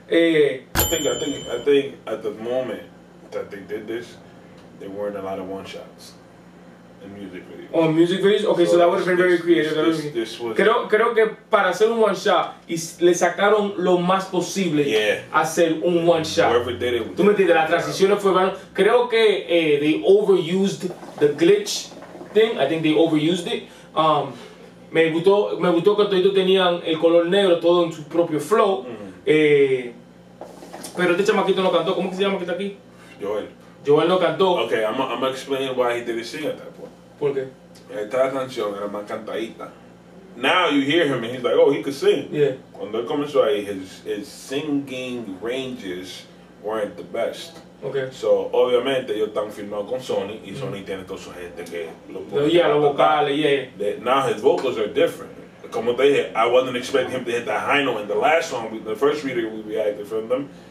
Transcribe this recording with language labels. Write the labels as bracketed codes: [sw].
[en] I think at the moment that they did this, there weren't a lot of one shots in music videos. Oh, music videos? Okay, so that would have been very creative. [es] Creo que para hacer un one shot, le sacaron lo más posible hacer un one shot. [en] Whoever did it. [es] Tú me entiendes, la transición fue mal. Creo que [en] they overused the glitch thing. I think they overused it. [es] Me gustó que todos tenían el color negro todo en su propio flow. Pero este chamaquito no cantó. ¿Cómo que se llama que está aquí? Joel no cantó. [en] Okay, I'm gonna explain why he didn't sing at that point. [es] ¿Por qué? Esta canción era más cantadita. [en] Now you hear him and he's like, oh, he could sing. Yeah. [es] Cuando él comenzó ahí, [en] his singing ranges weren't the best. Okay. [es] So, obviamente, ellos están firmados con Sony y Sony tiene toda su gente que lo puede. Yeah, los vocales, yeah. [en] Now his vocals are different. [es] Como te dije, [en] I wasn't expecting him to hit that high note in the last song, the first reader we reacted from them.